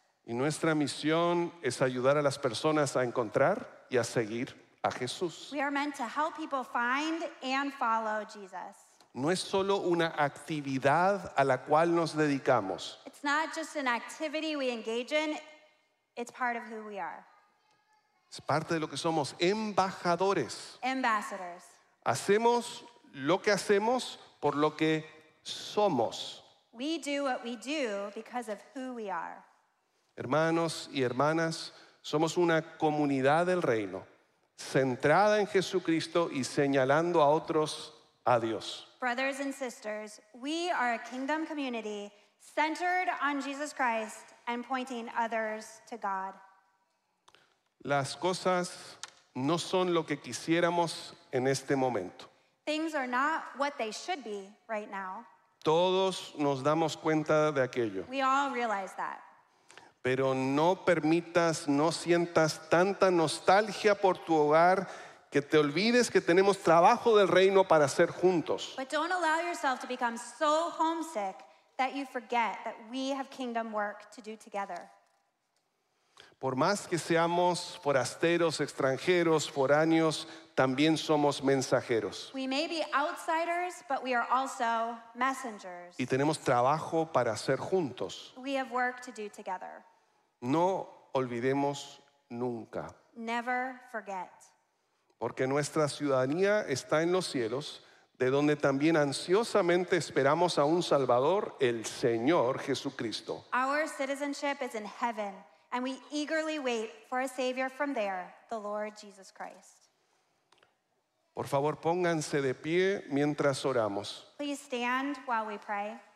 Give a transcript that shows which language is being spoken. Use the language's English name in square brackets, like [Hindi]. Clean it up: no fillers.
[Spanish] Y nuestra misión es ayudar a las personas a encontrar y a seguir a Jesús. [English] We are meant to help people find and follow Jesus. [Spanish] No es solo una actividad a la cual nos dedicamos. [English] It's not just an activity we engage in, it's part of who we are. [Spanish] Es parte de lo que somos, embajadores. [English] Ambassadors. [Spanish] Hacemos lo que hacemos por lo que somos. [English] We do what we do because of who we are. [Spanish] Hermanos y hermanas, somos una comunidad del reino, centrada en Jesucristo y señalando a otros a Dios. [English] Brothers and sisters, we are a kingdom community centered on Jesus Christ and pointing others to God. [Spanish] Las cosas no son lo que quisiéramos en este momento. [English] Things are not what they should be right now. [Spanish] Todos nos damos cuenta de aquello. [English] We all realize that. [Spanish] Pero no permitas, no sientas tanta nostalgia por tu hogar que te olvides que tenemos trabajo del reino para hacer juntos. [English] But don't allow yourself to become so homesick that you forget that we have kingdom work to do together. [Spanish] Por más que seamos forasteros, extranjeros, foráneos, también somos mensajeros. [English] We may be outsiders, but we are also messengers. [Spanish] Y tenemos trabajo para hacer juntos. [English] We have work to do together. [Spanish] No olvidemos nunca. [English] Never forget. [Spanish] Porque nuestra ciudadanía está en los cielos, de donde también ansiosamente esperamos a un Salvador, el Señor Jesucristo. [English] Our citizenship is in heaven, and we eagerly wait for a Savior from there, the Lord Jesus Christ. [Spanish] Por favor, pónganse de pie mientras oramos. [English] Please stand while we pray.